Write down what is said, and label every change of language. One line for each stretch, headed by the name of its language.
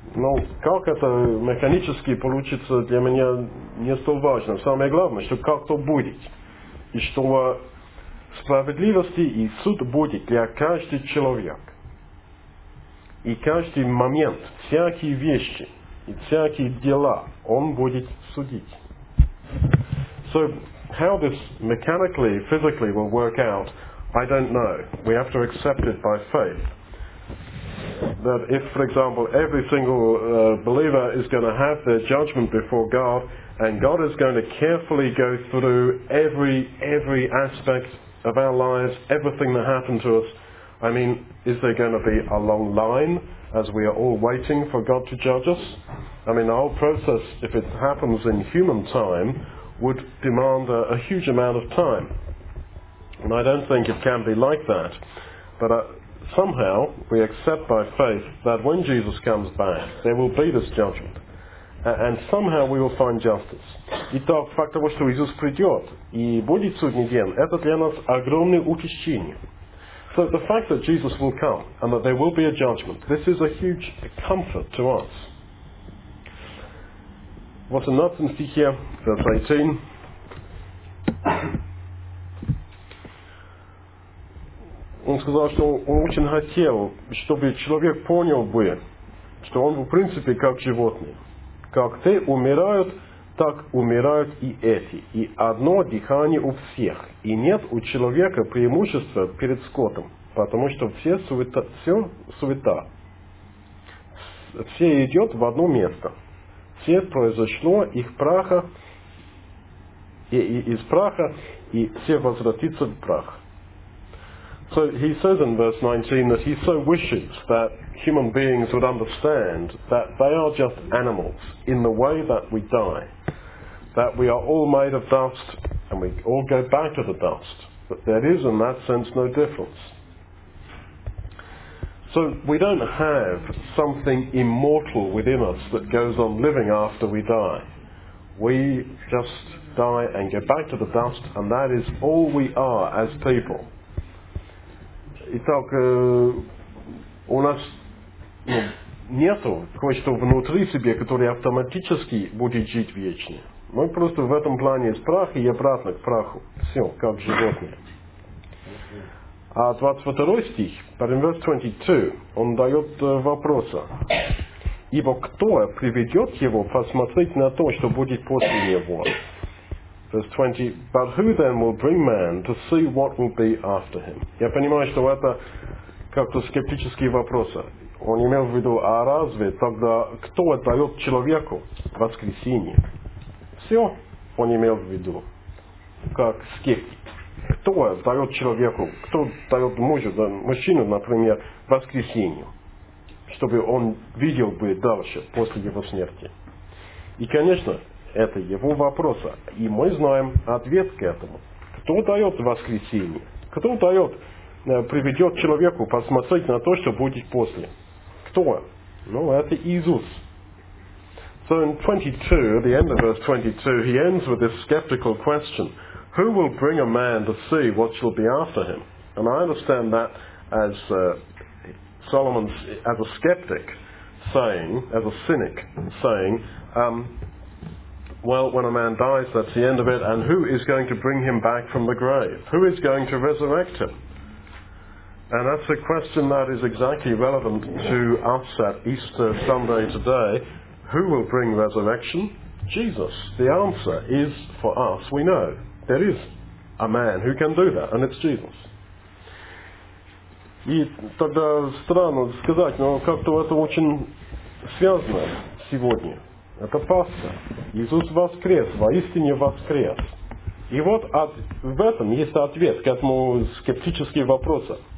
Russian: Но как это механически получится, для меня не столь важно. Самое главное, что как-то будет. И что справедливости и суд будет для каждого человека. И каждый момент, всякие вещи и всякие дела он будет судить.
English: So, how this mechanically, physically will work out, I don't know. We have to accept it by faith. That if, for example, every single believer is going to have their judgment before God, and God is going to carefully go through every aspect of our lives, everything that happened to us, I mean, is there going to be a long line as we are all waiting for God to judge us? I mean, the whole process, if it happens in human time, would demand a huge amount of time. And I don't think it can be like that. But somehow, we accept by faith that when Jesus comes back, there will be this judgment. And somehow we will find justice.
Russian: Итак, факт того, что Иисус придет и будет судный день, это для нас огромное утешение.
English: So the fact that Jesus will come and that there will be a judgment, this is a huge comfort to us.
Russian: Вот он, Натан стихе,
English: verse 18.
Russian: Он сказал, что он очень хотел, чтобы человек понял бы, что он в принципе как животные. Как те умирают, так умирают и эти. И одно дыхание у всех. И нет у человека преимущества перед скотом, потому что все суета. Все идет в одно место. Все произошло их праха, и из праха, и все возвратится в прах.
English: So he says in verse 19 that he so wishes that human beings would understand that they are just animals in the way that we die, that we are all made of dust and we all go back to the dust, but there is in that sense no difference. So we don't have something immortal within us that goes on living after we die. We just die and go back to the dust, and that is all we are as people.
Russian: Итак, у нас, ну, нету кое-что внутри себя, которое автоматически будет жить вечно. Мы просто в этом плане из праха и обратно к праху. Все, как животные. А 22 стих,
English: but in verse 22,
Russian: он дает вопроса. Ибо кто приведет его посмотреть на то, что будет после него?
English: Verse 20, but who then will bring man to see what will be after him?
Russian: Я понимаю, что это как-то скептический вопрос. Он имел в виду, а разве тогда кто дает человеку воскресение? Все он имел в виду, как скептик. Кто дает человеку, кто дает мужчину, например, воскресенье, чтобы он видел бы дальше после его смерти? И, конечно, это его вопрос. И мы знаем ответ к этому. Кто дает воскресенье? Кто дает, приведет человеку посмотреть на то, что будет после? Кто? Ну, это Иисус.
English: So in 22, at the end of verse 22, he ends with this skeptical question. Who will bring a man to see what shall be after him? And I understand that as Solomon's, as a skeptic saying, as a cynic saying, well, when a man dies, that's the end of it, and who is going to bring him back from the grave? Who is going to resurrect him? And that's a question that is exactly relevant to us at Easter Sunday today. Who will bring resurrection? Jesus. The answer is for us, we know. There is a man who can do that, and it's Jesus.
Russian: И тогда странно сказать, но как-то это очень связано сегодня. Это Пасха. Иисус воскрес, воистине воскрес. И вот в этом есть ответ к этому скептическому вопросу.